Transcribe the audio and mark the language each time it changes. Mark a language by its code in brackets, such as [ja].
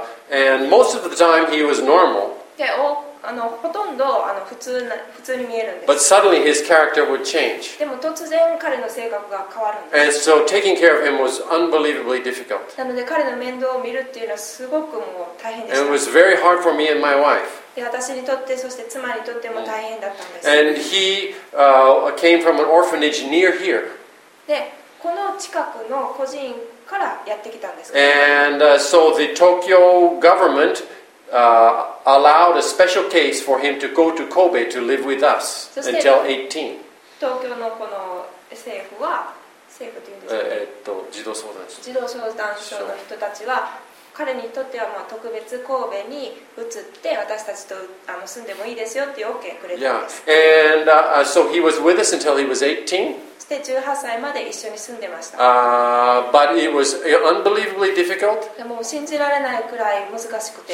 [en] And most of the time he was normal. [ja] ほとんど普通に見えるんです。 [en] But suddenly his character would change. [ja] でも突然彼の性格が変わるんです。 [en] And so taking care of him was unbelievably difficult. [ja] なので彼の面倒を見るっていうのはすごくもう大変でした。 [en] And it was very hard for me and my wife. [ja] で私にとってそして妻にとっても大変だったんです。 [en] And he came from an orphanage near here. [ja] でこの近くの孤児院からやってきたんです。 [en] And so the Tokyo government allowed a special case for him to go to Kobe to live with us until 18. [ja] 東京のこの政府というんですか。児童相談所の人たちは彼にとってはまあ特別神戸に移って私たちと住んでもいいですよっていう OK くれたんです。 [en] Yeah. And so he was with us until he was 18. [ja] で18歳まで一緒に住んでました。 [en] But it was unbelievably difficult. [ja] でも信じられないくらい難しくて。